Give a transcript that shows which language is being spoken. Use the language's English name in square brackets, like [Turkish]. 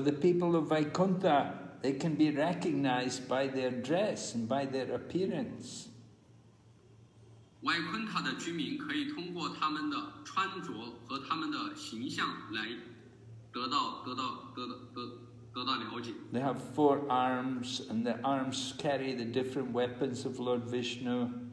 [English] the people of Vaikuntha, they can be recognized by their dress and by their appearance. [Chinese] 外昆塔的居民可以通过他们的穿着和他们的形象来得到了解。 [English] They have four arms, and the arms carry the different weapons of Lord Vishnu.